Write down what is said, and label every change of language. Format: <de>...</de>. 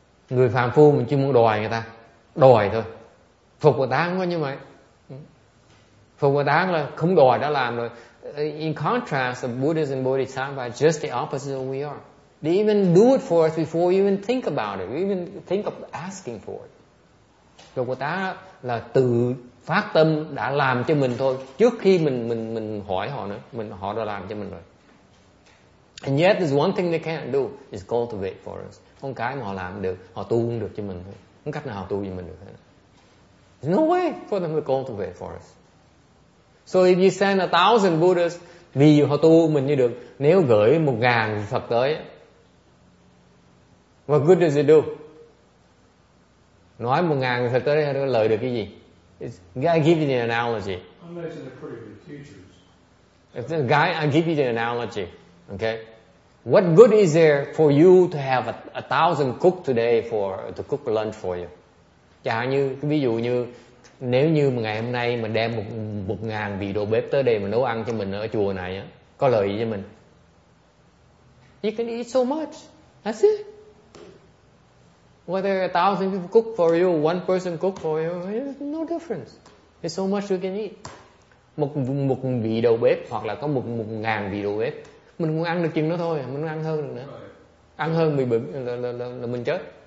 <vi>Người phàm phu mình chỉ muốn đòi người ta, đòi thôi. Phục Bồ Tát không có như vậy. Phục Bồ Tát là không đòi đã làm rồi.</vi> <en>In contrast, the Buddhists and Bodhisattvas are just the opposite of who we are. They even do it for us before we even think about it. We even think of asking for it.</en> <vi>Phật Bồ Tát là tự phát tâm đã làm cho mình thôi. Trước khi mình hỏi họ nữa, họ đã làm cho mình rồi.</vi> <en>And yet, there's one thing they can't do is cultivate for us.</en> <vi>Không cái mà họ làm được, họ tu không được cho mình thôi. Không cách nào tu cho mình được.</vi> <en>There's no way for them to cultivate for us. So if you send 1,000 Buddhas,</en> <vi>vì họ tu mình như được, nếu gửi 1,000 Phật tới,</vi> <en>what good does it do?</en> <vi>Nói 1,000 Phật tới, nó lợi được cái gì?</vi> <en>I give you the analogy. I give you the analogy. Okay? What good is there for you to have 1,000 cook today to cook lunch for you?</en> <vi>Chẳng như, ví dụ như, nếu như mà ngày hôm nay mình đem 1,000 vị đầu bếp tới đây mà nấu ăn cho mình ở chùa này á, có lợi gì cho mình?</vi> <en>You can eat so much. That's it. Whether 1,000 people cook for you, one person cook for you, it's no difference. It's so much you can eat.</en> <vi>Một vị đầu bếp hoặc là có 1,000 vị đầu bếp, mình muốn ăn được chừng đó thôi, mình muốn ăn hơn được nữa.</vi> <en>Right.</en> <vi>Ăn hơn mình bệnh là mình chết.</vi>